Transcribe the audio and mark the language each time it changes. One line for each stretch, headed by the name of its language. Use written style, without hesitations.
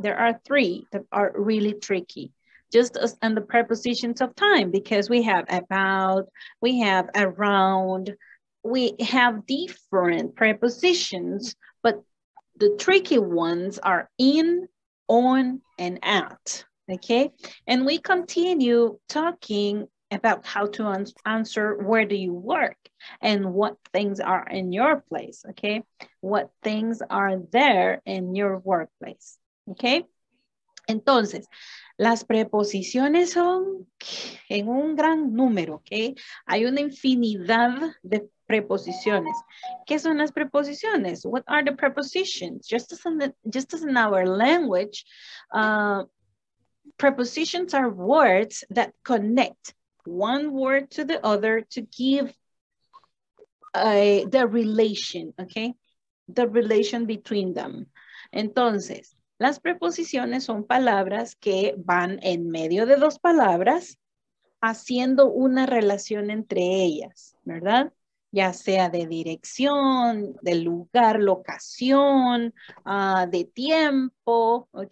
English: There are three that are really tricky, just as in the prepositions of time, because we have about, we have around, we have different prepositions, but the tricky ones are in, on, and at, okay? And we continue talking about how to answer where do you work and what things are in your place, okay? What things are there in your workplace, okay?
Spanish: Entonces, las preposiciones son en un gran número, okay? Hay una infinidad de preposiciones. ¿Qué son las preposiciones?
English: What are the prepositions? Just as in our language, prepositions are words that connect one word to the other to give the relation, okay? The relation between them.
Spanish: Entonces, las preposiciones son palabras que van en medio de dos palabras haciendo una relación entre ellas, ¿verdad? Ya sea de dirección, de lugar, locación, de tiempo, ¿ok?